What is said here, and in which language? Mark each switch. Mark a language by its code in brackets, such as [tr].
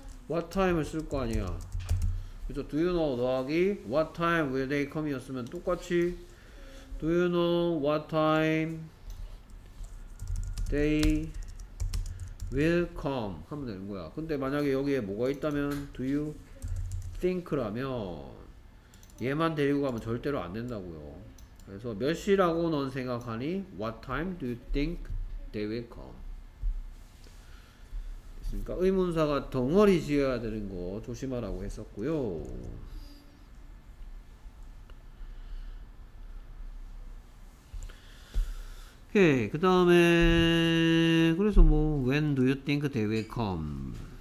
[en] What time을 [ko] 쓸 거 아니야. 그래서 [en] Do you know [ko] 더하기 [en] What time will they come [ko] 이었으면 똑같이 [en] Do you know what time they will come [ko] 하면 되는 거야. 근데 만약에 여기에 뭐가 있다면 [en] Do you think [ko] 라면 얘만 데리고 가면 절대로 안 된다고요. 그래서 몇 시라고 넌 생각하니? [en] What time do you think they will come? [ko] 됐습니까? 의문사가 덩어리 지어야 되는 거 조심하라고 했었고요. 오케이. 그 다음에 그래서 뭐 [en] When do you think they will come?